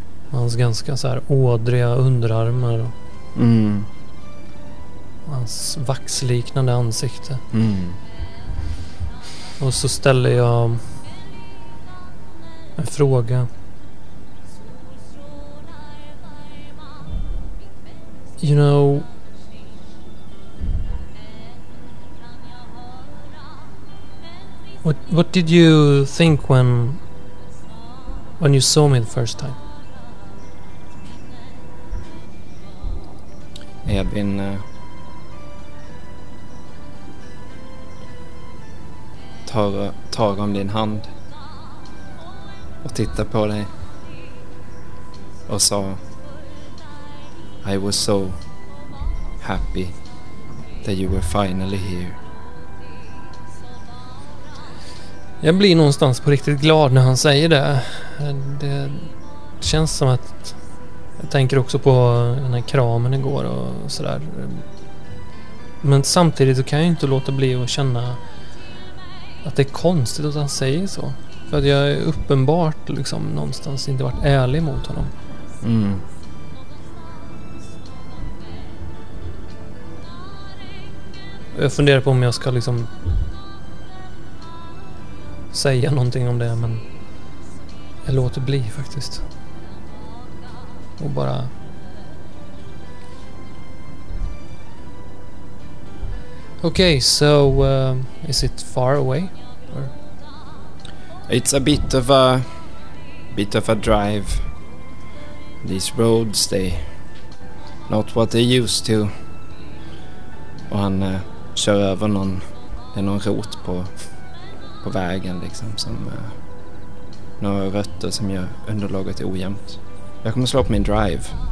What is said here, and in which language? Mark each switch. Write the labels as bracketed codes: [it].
[sv] Hans ganska så här ådriga underarmar. Mm. Hans vaxliknande ansikte. Mm. Och så ställer jag en fråga. [en] You know, What did you think when you saw me the first time? [sv] Edvin tar om din hand och tittar på dig och sa, I was so happy that you were finally here. Jag blir någonstans på riktigt glad när han säger det. Det känns som att Jag tänker också på den här kramen igår och sådär. Men samtidigt så kan jag inte låta bli att känna att det är konstigt att han säger så. För att jag är uppenbart liksom någonstans inte varit ärlig mot honom. Mm. Jag funderar på om jag ska liksom säga någonting om det, men jag låter bli faktiskt. [en] Och bara okay, so is it far away? Or? It's a bit of a drive. These roads, they not what they used to. [sv] Och han kör över någon, det är någon rot på vägen liksom, som några rötter som gör underlaget ojämnt. Jag kommer slå på min drive.